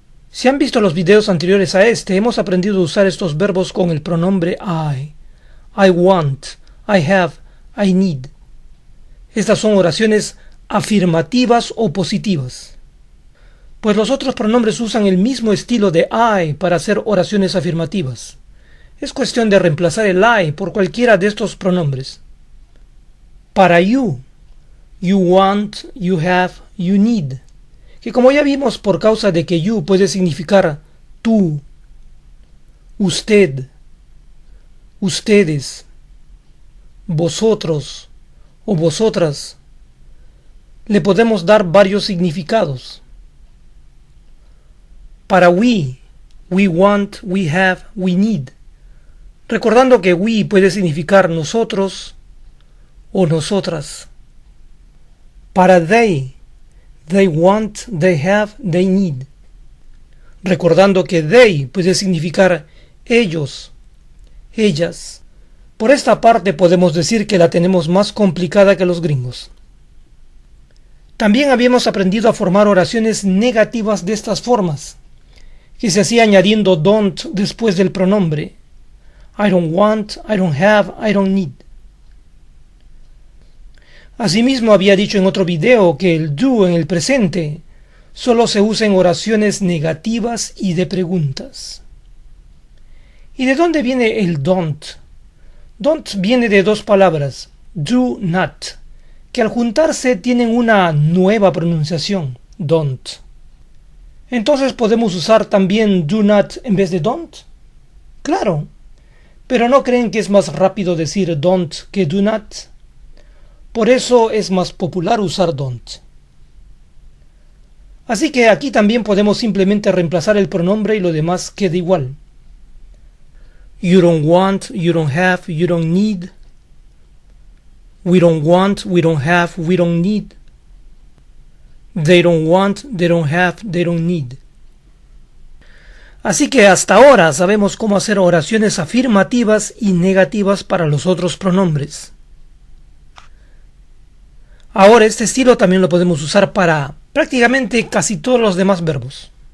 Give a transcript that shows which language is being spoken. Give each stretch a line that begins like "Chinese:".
Spanish: Si han visto los videos anteriores a este, hemos aprendido a usar estos verbos con el pronombre
English: I want, I have, I need.
Spanish: Estas son oraciones afirmativas o positivas. Pues los otros pronombres usan el mismo estilo de I para hacer oraciones afirmativas. Es cuestión de reemplazar el I por cualquiera de estos pronombres. Para
English: you, you want, you have, you need.
Spanish: Que como ya vimos, por causa de que you puede significar tú, usted, ustedes, vosotros o vosotras, le podemos dar varios significados. Para
English: we want, we have, we need.
Spanish: Recordando que we puede significar nosotros o nosotras. Para
English: they want, they have, they need.
Spanish: Recordando que they puede significar ellos, ellas. Por esta parte podemos decir que la tenemos más complicada que los gringos. También habíamos aprendido a formar oraciones negativas de estas formas, que se hacía añadiendo don't después del pronombre.
English: I don't want, I don't have, I don't need.
Spanish: Asimismo, había dicho en otro video que el do en el presente solo se usa en oraciones negativas y de preguntas. ¿Y de dónde viene el don't? Don't viene de dos palabras, do not, que al juntarse tienen una nueva pronunciación, don't. Entonces, ¿podemos usar también do not en vez de don't? Claro, pero ¿no creen que es más rápido decir don't que do not? Por eso es más popular usar don't. Así que aquí también podemos simplemente reemplazar el pronombre y lo demás queda igual.
English: You don't want, you don't have, you don't need. We don't want, we don't have, we don't need. They don't want, they don't have, they don't need.
Spanish: Así que hasta ahora sabemos cómo hacer oraciones afirmativas y negativas para los otros pronombres. Ahora, este estilo también lo podemos usar para prácticamente casi todos los demás verbos.